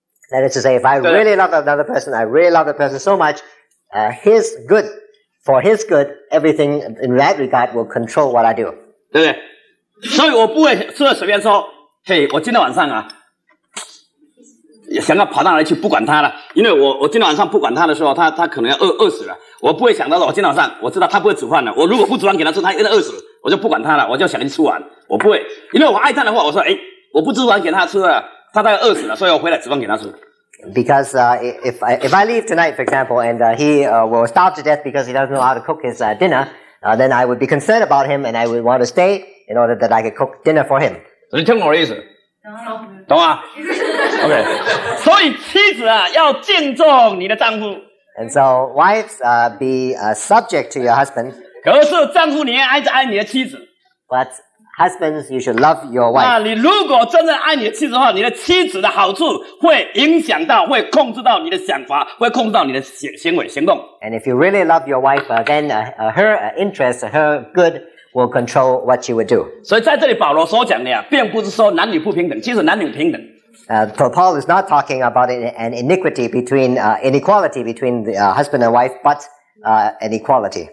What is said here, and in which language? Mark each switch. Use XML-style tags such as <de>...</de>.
<en>That is to say, if I really love another person, I really love the person so much, his good, for his good, everything in that regard will control what I do.</en> <zh>对不对？所以我不会说随便说，嘿，我今天晚上啊想要跑到哪里去不管他了，因为我今天晚上不管他的时候，他可能要饿死了。我不会想到我今天晚上，我知道他不会煮饭的，我如果不煮饭给他吃，他一定饿死，我就不管他了，我就想去吃完。我不会，因为我爱他的话，我说哎，我不煮饭给他吃了，他大概饿死了，所以我回来煮饭给他吃。</zh> <en>Because if I leave tonight, for example, and he will starve to death because he doesn't know how to cook his dinner, then I would be concerned about him, and I would want to stay in order that I could cook dinner for him.</en> <zh>你听我的意思。懂吗 ？OK， 所以妻子啊要敬重你的丈夫。</zh> <en>And so wives be subject to your husband.</en> <zh>可是丈夫你也爱着爱你的妻子。</zh> <en>But husbands, you should love your wife.</en> <zh>那你如果真正爱你的妻子的话，你的妻子的好处会影响到，会控制到你的想法，会控制到你的行为、行动。</zh> <en>And if you really love your wife, then her interest, her good. Will control what you would do.</en> <zh>所以在这里保罗所讲的呀，并不是说男女不平等，其实男女平等。</zh> <en>Paul is not talking about an iniquity between inequality between the husband and wife, but an equality.</en>